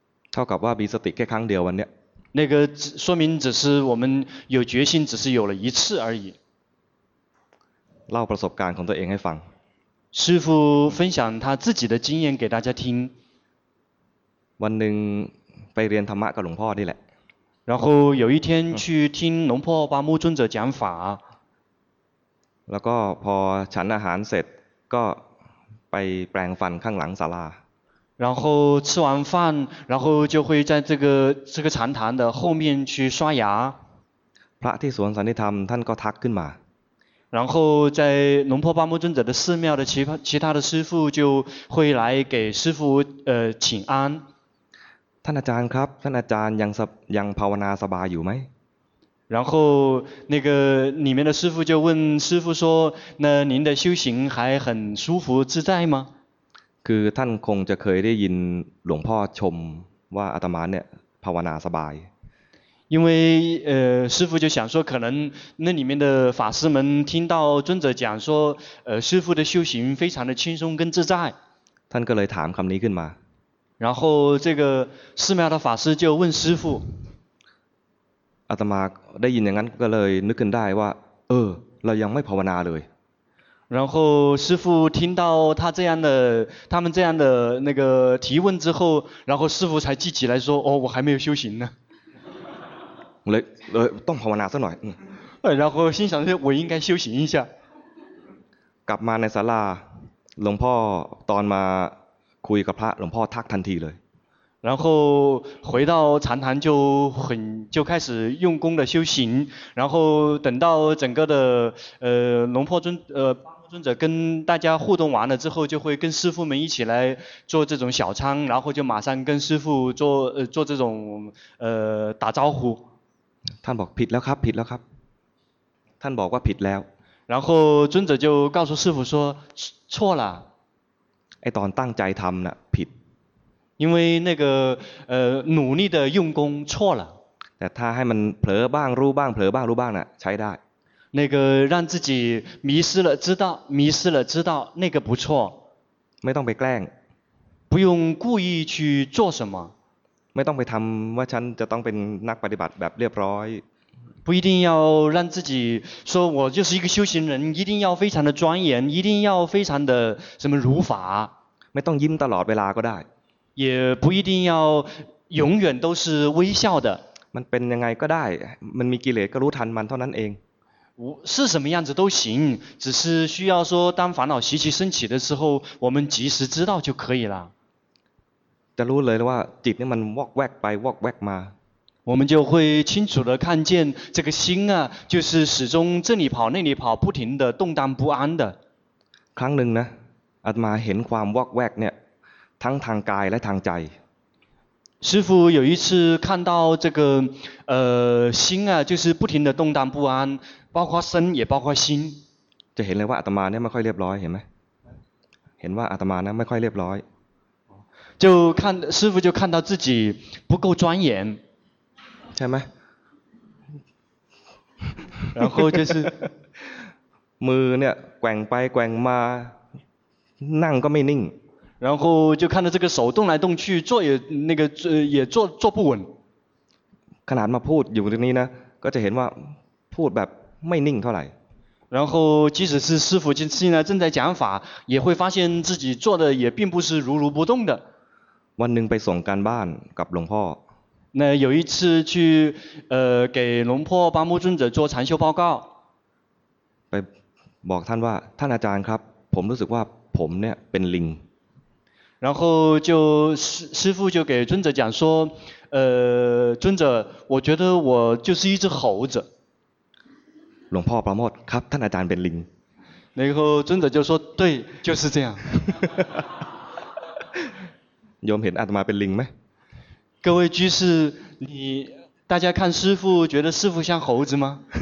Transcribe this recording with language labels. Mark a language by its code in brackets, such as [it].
[th] เท่ากับว่ามีสติแค่ครั้งเดียววันเนี้ย [zh] 那个说明只是我们有决心只是有了一次而已 [th] เล่าประสบการณ์ของตัวเองให้ฟัง [zh] 师父分享他自己的经验给大家听 [th] วันหนึ่งไปเรียนธรรมะกับหลวงพ่อนี่แหละ [zh] 然后有一天去听龙破巴木尊者讲法 [th] แล้วก็พอฉันอาหารเสร็จ ก็ไปแปรงฟันข้างหลังศาลา [zh] 然后吃完饭然后就会在这个禅堂的后面去刷牙 [th] พระที่สวนสันติธรรมท่านก็ทักขึ้นมา [zh] 然后在龙婆巴木尊者的寺庙的其他的师父就会来给师父请安 [th] ท่านอาจารย์ครับท่านอาจารย์ยังภาวนาสบายอยู่ไหม [zh] 然后那个里面的师父就问师父说那您的修行还很舒服自在吗 [th] คือท่านคงจะเคยได้ยินหลวงพ่อชมว่าอาตมาเนี่ยภาวนาสบาย [zh] 因为师父就想说可能那里面的法师们听到尊者讲说师父的修行非常的轻松跟自在 [th] ท่านก็เลยถามคำนี้ขึ้นมา [zh] 然后这个寺庙的法师就问师父 [th] อาตมาได้ยินอย่างนั้นก็เลยนึกขึ้นได้ว่าเรายังไม่ภาวนาเลย [zh] 然后师父听到他们这样的那个提问之后然后师父才记起来说哦我还没有修行呢 [th] เลยต้องภาวนาสักหน่อย [zh] 然后心想我应该修行一下 [th] กลับมาในศาลาหลวงพ่อตอนมาคุยกับพระหลวงพ่อทักทันทีเลย [zh] 然后回到禅堂就开始用功的修行然后等到整个的龙婆尊巴木尊者跟大家互动完了之后就会跟师父们一起来做这种小餐然后就马上跟师父做这种打招呼 [th] ท่านบอกผิดแล้วครับผิดแล้วครับท่านบอกว่าผิดแล้ว [zh] 然后尊者就告诉师父说错了 [th] ไอ้ตอนตั้งใจทำน่ะผิด [zh] 因为那个努力的用功错了 [th] แต่ถ้าให้มันเผลอบ้างรู้บ้างเผลอบ้างรู้บ้างน่ะใช้ได้ [zh] 那个让自己迷失了知道那个不错 [th] ไม่ต้องไปแกล้ง [zh] 不用故意去做什么 [th] ไม่ต้องไปทำว่าฉันจะต้องเป็นนักปฏิบัติแบบเรียบร้อย [zh] 不一定要让自己说我就是一个修行人一定要非常的庄严一定要非常的什么如法 [th] ไม่ต้องยิ้มตลอดเวลาก็ได้ [zh] 也不一定要永远都是微笑的 [th] มันเป็นยังไงก็ได้มันมีกิเลสก็รู้ทันมันเท่านั้นเอง [zh] 是什么样子都行只是需要说当烦恼习气升起的时候我们及时知道就可以了 [th] จะรู้เลยว่าจิตนี่มันวอกแวกไปวอกแวกมา [zh] 我们就会清楚的看见这个心啊就是始终这里跑那里跑不停的动荡不安的 [th] ครั้งหนึ่งนะอาตมาเห็นความวอกแวกเนี่ยทั้งทางกายและทางใจ [zh] 师父有一次看到这个心啊就是不停的动荡不安包括身也包括心 [th] จะเห็นเลยว่าอาตมาเนี่ยไม่ค่อยเรียบร้อยเห็นไหมเห็นว่าอาตมาเนี่ยไม่ค่อยเรียบร้อย [zh] 就看师父就看到自己不够庄严， [th] ใช่ไหม？ [zh] 然后就是 [th] มือเนี่ยแกว่งไปแกว่งมานั่งก็ไม่นิ่ง [zh] 然后就看到这个手动来动去坐也那个也坐不稳 [th] ขนาดมาพูดอยู่ตรงนี้นะก็จะเห็นว่าพูดแบบไม่นิ่งเท่าไหร่ [zh] 然后即使是师父现在正在讲法也会发现自己做的也并不是如如不动的 [th] วันหนึ่งไปส่งการบ้านกับหลวงพ่ [zh] อ那有一次去给龙婆巴木尊者做禅修报告 [th] ไปบอกท่านว่าท่านอาจารย์ครับผมรู้สึกว่าผมเนี่ยเป็นลิง [zh] 然后就师父就给尊者讲说尊者我觉得我就是一只猴子 [th] หลวงพ่อประโมทครับท่านอาจารย์เป็นลิง [zh] 然后尊者就说对就是这样 [th] โยมเห็นอาตมาเป็นลิงไหม [zh] 各位居士你大家看师父觉得师父像猴子吗